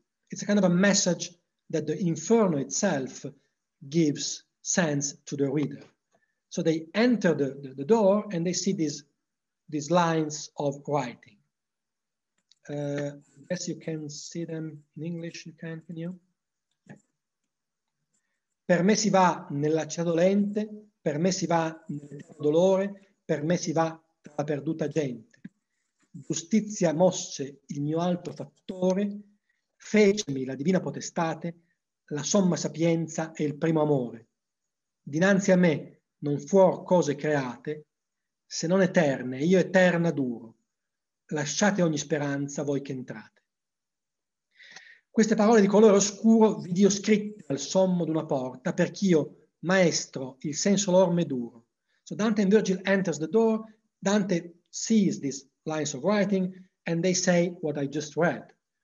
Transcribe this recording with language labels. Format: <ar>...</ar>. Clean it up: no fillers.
<en>It's a kind of a message that the Inferno itself gives sense to the reader. So they enter the door and they see these lines of writing. I guess you can see them in English, can you?</en> <it>Per me si va nella città dolente, per me si va nel dolore, per me si va tra la perduta gente. Giustizia mosse il mio alto fattore, fecemi la divina potestate, la somma sapienza e il primo amore. Dinanzi a me non fuor cose create, se non eterne, io eterna duro. Lasciate ogni speranza voi che entrate. Queste parole di colore oscuro vidi io scritte al sommo d'una porta, perch'io, maestro, il senso lor meduro.</it> <en>So Dante and Virgil enters the door, Dante sees these lines of writing, and they say what I just read.</en>